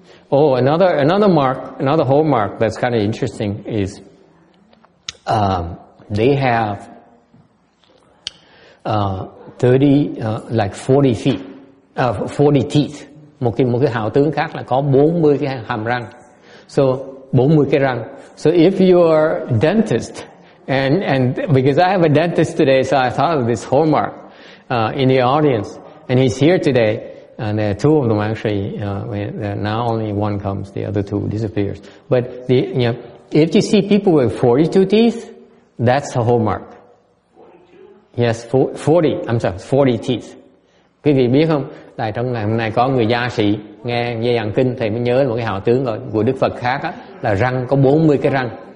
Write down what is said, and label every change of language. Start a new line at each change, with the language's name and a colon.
English: Another hallmark that's kind of interesting is they have 40 teeth.
Vietnamese: Một cái hào tướng khác là có 40 cái hàm răng. So, 40 cái răng.
English: So if you are a dentist, And because I have a dentist today, so I thought of this hallmark in the audience. And he's here today. And there are two of them actually. Now only one comes, the other two disappears. But the, you know, if you see people with 42 teeth, that's a hallmark. 42? Yes, 40. I'm sorry, 40 teeth.
Vietnamese: Quý vị biết không? Tại trong ngày hôm nay có người gia sĩ nghe dây dặn kinh, thầy mới nhớ một cái hào tướng của Đức Phật khác á, là răng có 40 cái răng.